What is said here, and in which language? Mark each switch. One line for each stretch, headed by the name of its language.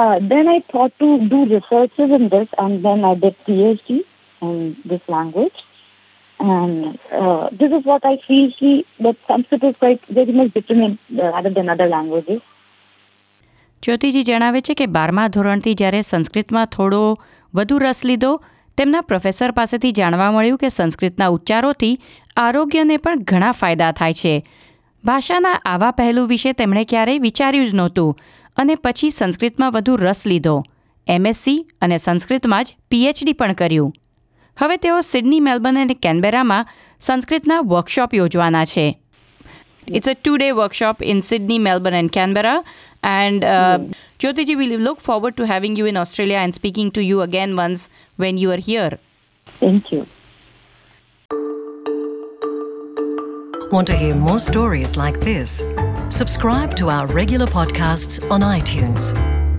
English: Then I thought to do researches in this, and then I did PhD in this language. And this is what I feel, that Sanskrit is quite very much different rather than other languages.
Gujarati: જ્યોતિજી જણાવે છે કે 12મા ધોરણથી જ્યારે સંસ્કૃતમાં થોડો વધુ રસ લીધો, તેમના પ્રોફેસર પાસેથી જાણવા મળ્યું કે સંસ્કૃતના ઉચ્ચારોથી આરોગ્યને પણ ઘણા ફાયદા થાય છે. ભાષાના આવા પહેલું વિશે તેમણે ક્યારેય વિચાર્યું જ નહોતું, અને પછી સંસ્કૃતમાં વધુ રસ લીધો, એમએસસી અને સંસ્કૃતમાં જ પીએચડી પણ કર્યું. હવે તેઓ સિડની, મેલબર્ન અને કેનબેરામાં સંસ્કૃતના વર્કશોપ યોજવાના છે.
English: It's a two-day workshop in Sydney, Melbourne and Canberra. And Jyotiji, we look forward to having you in Australia and speaking to you again once when you are here. Thank you. Want to hear more stories like this? Subscribe to our regular podcasts on iTunes.